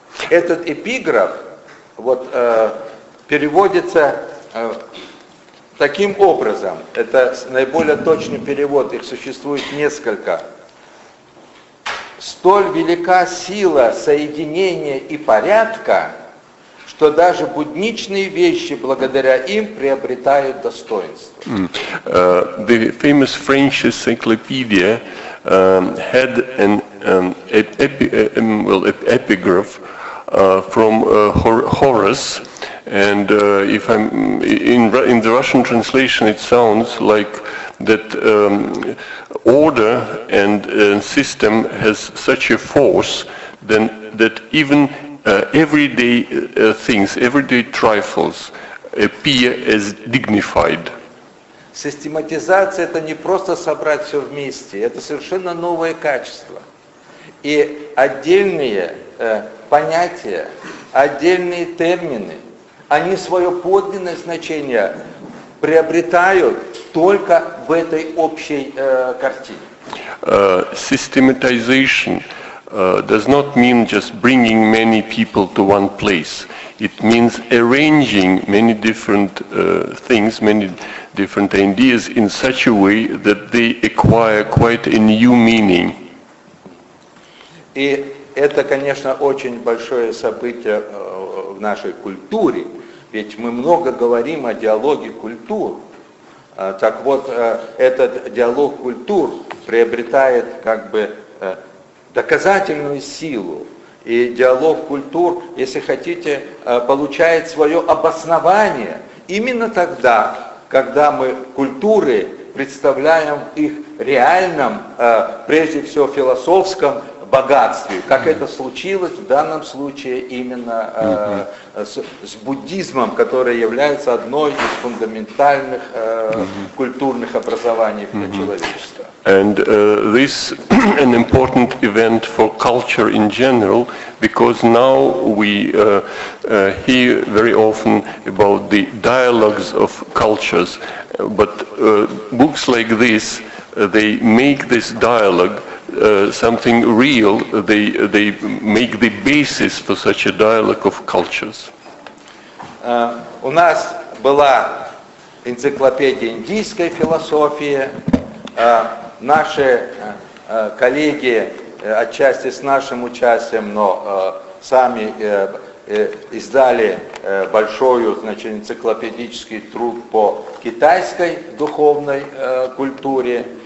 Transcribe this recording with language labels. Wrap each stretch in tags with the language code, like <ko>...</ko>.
<ru>Этот эпиграф вот переводится таким образом. Это наиболее точный перевод, их существует несколько. Столь велика сила соединения и порядка, что даже будничные вещи благодаря им приобретают достоинство.</ru> <en>The famous French encyclopedia had an epigraph from Horace, and if I'm in the Russian translation, it sounds like that order and system has such a force then that even everyday things, everyday trifles appear as dignified.</en> <ru>Систематизация — это не просто собрать все вместе, это совершенно новое качество. И отдельные понятия, отдельные термины, они свое подлинное значение приобретают только в этой общей картине.</ru> <en>Systematization does not mean just bringing many people to one place. It means arranging many different things, many different ideas in such a way that they acquire quite a new meaning.</en> <ru>И это, конечно, очень большое событие в нашей культуре, ведь мы много говорим о диалоге культур. Так вот, этот диалог культур приобретает как бы доказательную силу. И диалог культур, если хотите, получает свое обоснование именно тогда, когда мы культуры представляем их реальном, прежде всего философском, богатстве, как это случилось в данном случае именно с буддизмом, который является одной из фундаментальных культурных образований для человечества.</ru> <en>And this an important event for culture in general, because now we hear very often about the dialogues of cultures, but books like this, they make this dialogue something real, they make the basis for such a dialogue of cultures.</en> <ru>У нас была энциклопедия индийской философии. Наши коллеги отчасти с нашим участием, но сами издали большую, значит, энциклопедический труд по китайской духовной культуре.</ru>